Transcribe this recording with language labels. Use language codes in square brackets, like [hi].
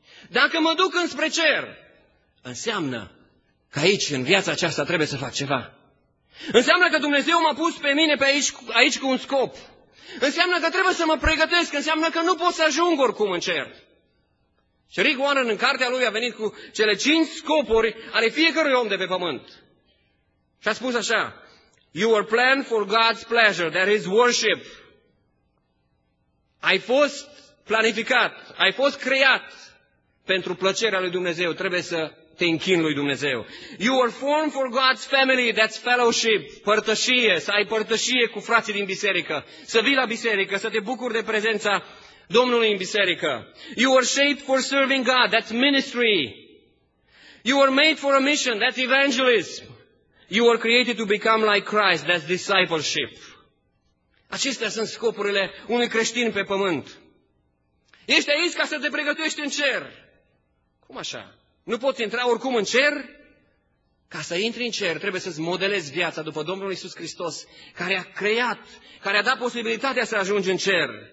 [ro] Dacă mă duc înspre cer, înseamnă că aici, în viața aceasta, trebuie să fac ceva. Înseamnă că Dumnezeu m-a pus pe mine pe aici, aici cu un scop. Înseamnă că trebuie să mă pregătesc, înseamnă că nu pot să ajung oricum în cer. Și Rick Warren, în cartea lui, a venit cu cele 5 scopuri ale fiecărui om de pe pământ. Și a spus așa, [en] "You are planned for God's pleasure, that is worship." [ro] Ai fost planificat, ai fost creat pentru plăcerea lui Dumnezeu, trebuie să te închin lui Dumnezeu. [en] You are formed for God's family, that's fellowship, [ro] părtășie, să ai părtășie cu frații din biserică, să vii la biserică, să te bucuri de prezența Domnului în biserică. [en] You are shaped for serving God, that's ministry. You are made for a mission, that's evangelism. You are created to become like Christ, that's discipleship. [ro] Acestea sunt scopurile unui creștin pe pământ. Ești aici ca să te pregătești în cer. Cum așa? Nu poți intra oricum în cer? Ca să intri în cer, trebuie să-ți modelezi viața după Domnul Iisus Hristos, care a creat, care a dat posibilitatea să ajungi în cer.